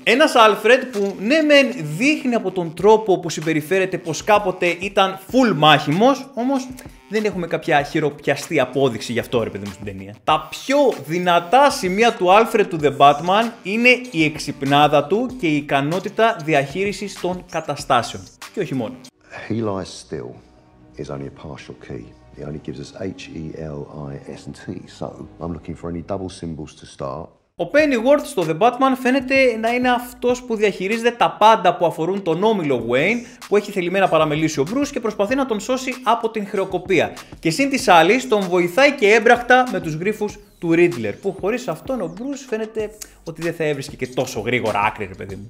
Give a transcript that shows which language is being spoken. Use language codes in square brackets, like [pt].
[el] Ένας Alfred που ναι μεν δείχνει από τον τρόπο που συμπεριφέρεται πως κάποτε ήταν full μάχημος, όμως δεν έχουμε κάποια χειροπιαστή απόδειξη γι' αυτό, ρε παιδί μου, στην ταινία. Τα πιο δυνατά σημεία του Alfred του The Batman είναι η εξυπνάδα του και η ικανότητα διαχείρισης των καταστάσεων. Και όχι μόνο. [en] He lies still is only a partial key. He only gives us HELIST. So I'm looking for any double symbols to start. [el] Ο Pennyworth στο The Batman φαίνεται να είναι αυτός που διαχειρίζεται τα πάντα που αφορούν τον όμιλο Wayne, που έχει θελημένα παραμελήσει ο Bruce και προσπαθεί να τον σώσει από την χρεοκοπία. Και σύν της άλλης τον βοηθάει και έμπραχτα με τους γρίφους του Riddler, που χωρίς αυτόν ο Bruce φαίνεται ότι δεν θα έβρισκε και τόσο γρήγορα άκρη, ρε παιδί μου.